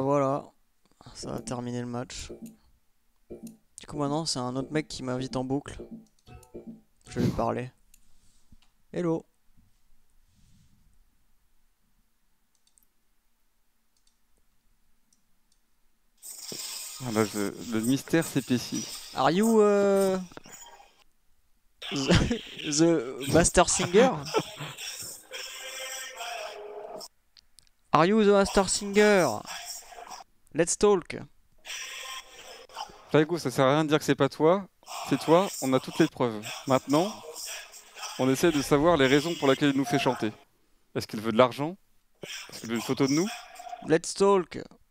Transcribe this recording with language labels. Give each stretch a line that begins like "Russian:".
French: Bah voilà, ça a terminé le match. Du coup maintenant c'est un autre mec qui m'invite en boucle. Je vais lui parler. Hello. Ah bah le mystère s'épaissit.
English: Are you the master singer? Are you the master singer? Let's talk.
French: Taigo, ça sert à rien de dire que c'est pas toi. C'est toi, on a toutes les preuves. Maintenant, on essaie de savoir les raisons pour lesquelles il nous fait chanter. Est-ce qu'il veut de l'argent? Est-ce qu'il veut une photo de nous?
English: Let's talk.